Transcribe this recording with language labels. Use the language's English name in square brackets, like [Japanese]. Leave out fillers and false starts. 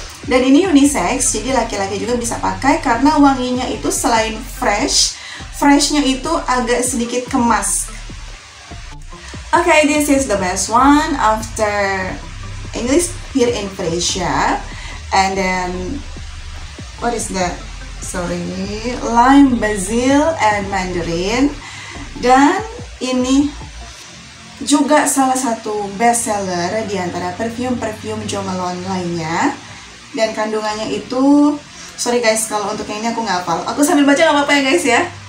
[Indonesian] Dan ini unisex, jadi laki-laki juga bisa pakai karena wanginya itu selain fresh, freshnya itu agak sedikit kemas. [English] Okay, this is the best one after English Spirit and Freshia, and then what is that? Sorry, lime, basil, and mandarin. [Indonesian] Dan ini juga salah satu best seller di antara perfume-perfume Jo Malone lainnya. Dan kandungannya itu, [English] sorry guys, [Indonesian] kalau untuk yang ini aku nggak hafal. Aku sambil baca nggak apa-apa ya guys ya.